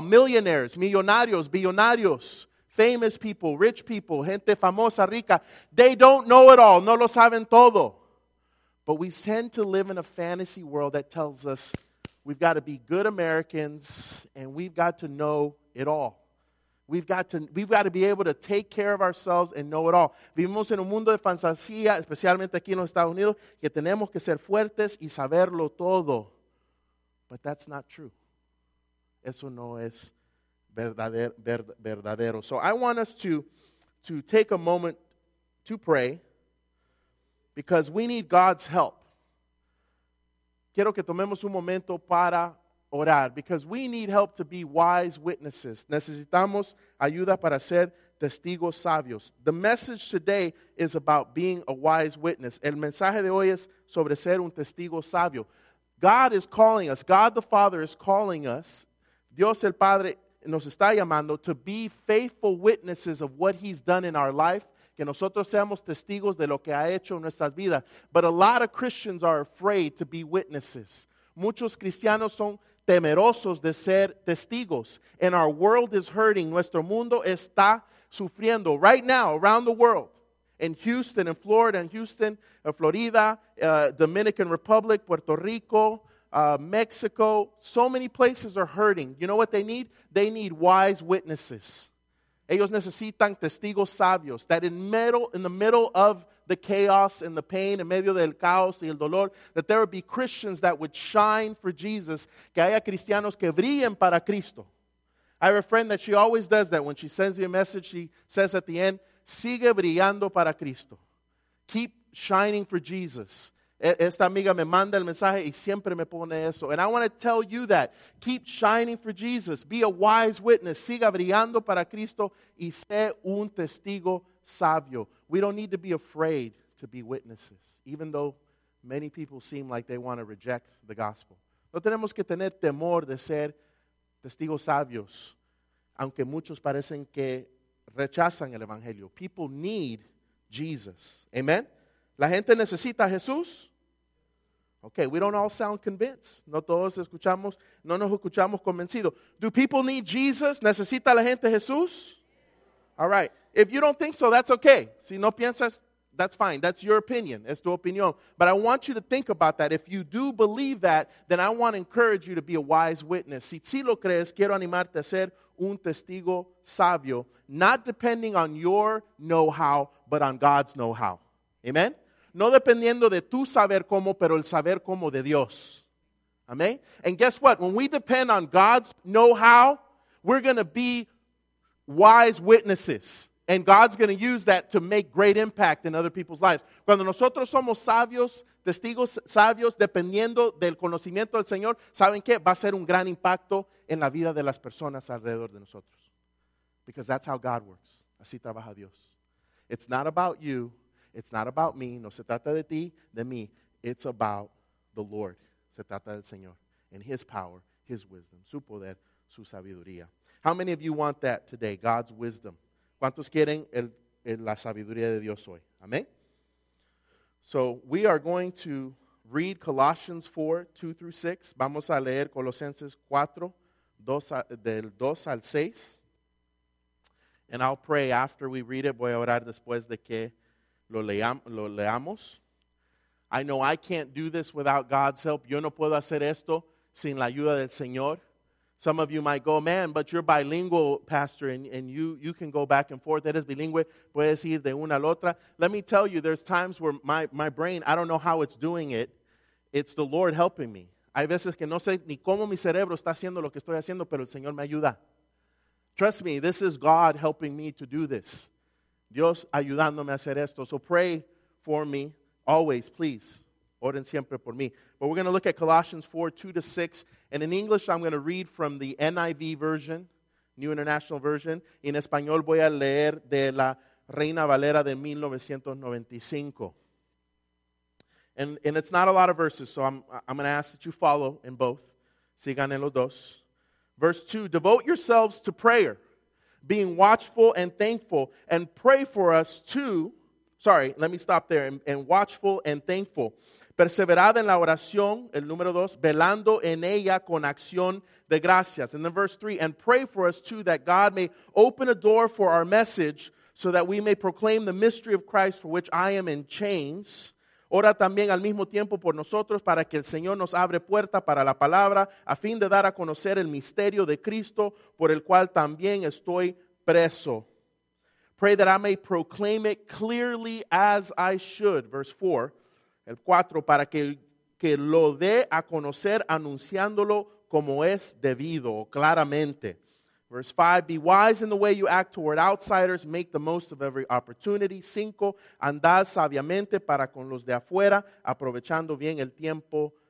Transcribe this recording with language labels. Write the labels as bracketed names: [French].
[English] Millionaires, [Spanish] millonarios, billonarios. [English] Famous people, rich people, [Spanish] gente famosa, rica, [English] they don't know it all. [Spanish] No lo saben todo. [English] But we tend to live in a fantasy world that tells us we've got to be good Americans and we've got to know it all. We've got to be able to take care of ourselves and know it all. [Spanish] Vivimos en un mundo de fantasía, especialmente aquí en los Estados Unidos, que tenemos que ser fuertes y saberlo todo. [English] But that's not true. [Spanish] Eso no es verdadero. [English] So I want us to take a moment to pray because we need God's help. [Spanish] Quiero que tomemos un momento para orar [English] because we need help to be wise witnesses. [Spanish] Necesitamos ayuda para ser testigos sabios. [English] The message today is about being a wise witness. [Spanish] El mensaje de hoy es sobre ser un testigo sabio. [English] God is calling us. God the Father is calling us. [Spanish] Dios el Padre nos está llamando [English] to be faithful witnesses of what he's done in our life. [Spanish] Que nosotros seamos testigos de lo que ha hecho en nuestras vidas. [English] But a lot of Christians are afraid to be witnesses. [Spanish] Muchos cristianos son temerosos de ser testigos. [English] And our world is hurting. [Spanish] Nuestro mundo está sufriendo [English] right now around the world. In Houston, in Florida, in Houston, in Florida, Dominican Republic, Puerto Rico, Mexico. So many places are hurting. You know what they need? They need wise witnesses. [Spanish] Ellos necesitan testigos sabios. [English] That in the middle of the chaos and the pain, [Spanish] en medio del caos y el dolor, [English] that there would be Christians that would shine for Jesus. [Spanish] Que haya cristianos que brillen para Cristo. [English] I have a friend that she always does that. When she sends me a message, she says at the end, [Spanish] sigue brillando para Cristo. [English] Keep shining for Jesus. [Spanish] Esta amiga me manda el mensaje y siempre me pone eso. [English] And I want to tell you that. Keep shining for Jesus. Be a wise witness. [Spanish] Siga brillando para Cristo y sé un testigo sabio. [English] We don't need to be afraid to be witnesses, even though many people seem like they want to reject the gospel. [Spanish] No tenemos que tener temor de ser testigos sabios, aunque muchos parecen que rechazan el evangelio. [English] People need Jesus. Amen. [Spanish] ¿La gente necesita a Jesús? [English] Okay, we don't all sound convinced. [Spanish] No todos escuchamos, no nos escuchamos convencidos. [English] Do people need Jesus? [Spanish] ¿Necesita la gente Jesús? [English] All right. If you don't think so, that's okay. [Spanish] Si no piensas, [English] that's fine. That's your opinion. [Spanish] Es tu opinión. [English] But I want you to think about that. If you do believe that, then I want to encourage you to be a wise witness. [Spanish] Si sí lo crees, quiero animarte a ser un testigo sabio, [English] not depending on your know-how, but on God's know-how. Amen? [Spanish] No dependiendo de tu saber cómo, pero el saber cómo de Dios. [English] Amen? And guess what? When we depend on God's know-how, we're going to be wise witnesses. And God's going to use that to make great impact in other people's lives. [Spanish] Cuando nosotros somos sabios, testigos sabios, dependiendo del conocimiento del Señor, ¿saben qué? Va a ser un gran impacto en la vida de las personas alrededor de nosotros. [English] Because that's how God works. [Spanish] Así trabaja Dios. [English] It's not about you. It's not about me. [Spanish] No se trata de ti, de mí. [English] It's about the Lord. [Spanish] Se trata del Señor. [English] And his power, his wisdom. [Spanish] Su poder, su sabiduría. [English] How many of you want that today? God's wisdom. [Spanish] ¿Cuántos quieren la sabiduría de Dios hoy? Amén. [English] So we are going to read Colossians 4, 2 through 6. [Spanish] Vamos a leer Colosenses 4, del 2 al 6. [English] And I'll pray after we read it. [Spanish] Voy a orar después de que lo leamos. [English] I know I can't do this without God's help. [Spanish] Yo no puedo hacer esto sin la ayuda del Señor. [English] Some of you might go, man, but you're bilingual, pastor, and you can go back and forth. [Spanish] Eres bilingüe, puedes ir de una a la otra. [English] Let me tell you, there's times where my brain, I don't know how it's doing it. It's the Lord helping me. [Spanish] Hay veces que no sé ni cómo mi cerebro está haciendo lo que estoy haciendo, pero el Señor me ayuda. [English] Trust me, this is God helping me to do this. [Spanish] Dios ayudándome a hacer esto. [English] So pray for me always, please. [Spanish] Oren siempre por mí. [English] But we're going to look at Colossians 4, 2 to 6. And in English, I'm going to read from the NIV version, New International Version. [Spanish] En español voy a leer de la Reina Valera de 1995. [English] And it's not a lot of verses, so I'm going to ask that you follow in both. [Spanish] Sigan en los dos. [English] Verse 2, devote yourselves to prayer, being watchful and thankful, and pray for us too. Sorry, let me stop there. And watchful and thankful. [Spanish] Perseverad en la oración, el número dos, velando en ella con acción de gracias. [English] And then verse 3, and pray for us too that God may open a door for our message so that we may proclaim the mystery of Christ for which I am in chains. [Spanish] Ora también al mismo tiempo por nosotros para que el Señor nos abre puerta para la palabra a fin de dar a conocer el misterio de Cristo por el cual también estoy preso. [English] Pray that I may proclaim it clearly as I should. Verse 4. [Spanish] El 4, para que lo dé a conocer anunciándolo como es debido, claramente. [English] Verse 5, be wise in the way you act toward outsiders, make the most of every opportunity. [Spanish] 5, andad sabiamente para con los de afuera, aprovechando bien el tiempo.